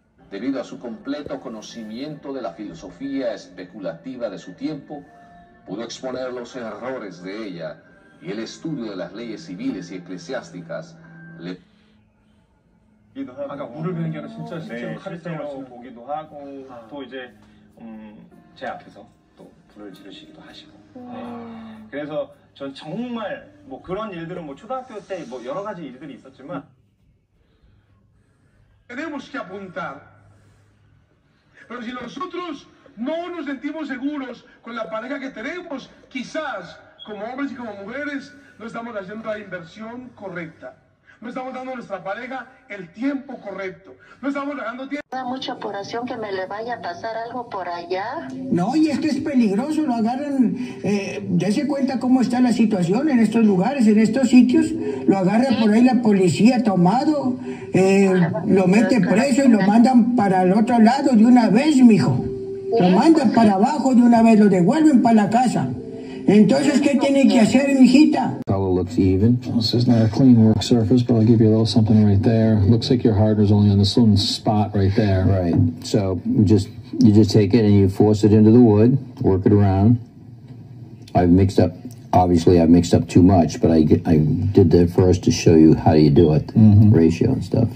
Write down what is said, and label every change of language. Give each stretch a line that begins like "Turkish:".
Spanish: Debido a su completo conocimiento de la filosofía especulativa de su tiempo, pudo exponer los errores de ella y el estudio de las leyes civiles y eclesiásticas le...
Korean: 아까 물을 베는 게 아니라 진짜 실제로 칼을 보기도 하고 또 이제 제 앞에서 또 불을 지르시기도 하시고 그래서 전 정말 뭐 그런 일들은 뭐 초등학교 때 뭐 여러 가지 일들이 있었지만
Spanish: Tenemos que apuntar. Pero si nosotros no nos sentimos seguros con la pareja que tenemos, quizás como hombres y como mujeres no estamos haciendo la inversión correcta. No estamos dando a nuestra pareja el tiempo correcto. No estamos dando tiempo. Da mucha apuración que me le vaya a pasar algo por allá. No, y esto es peligroso. Lo agarran, dese cuenta cómo está la situación en estos lugares, en estos sitios. Lo agarra por ahí la policía tomado, lo mete preso y lo mandan para el otro lado de una vez, mijo. Lo mandan para abajo de una vez, lo devuelven para la casa.
English: Probably looks even. This is not a clean work surface, but I'll give you a little something right there. Looks like your hardener's only on this one spot right there. Right. So you just take it and you force it into the wood, work it around. I've mixed up too much, but I did the first to show you how you do it, the ratio and stuff.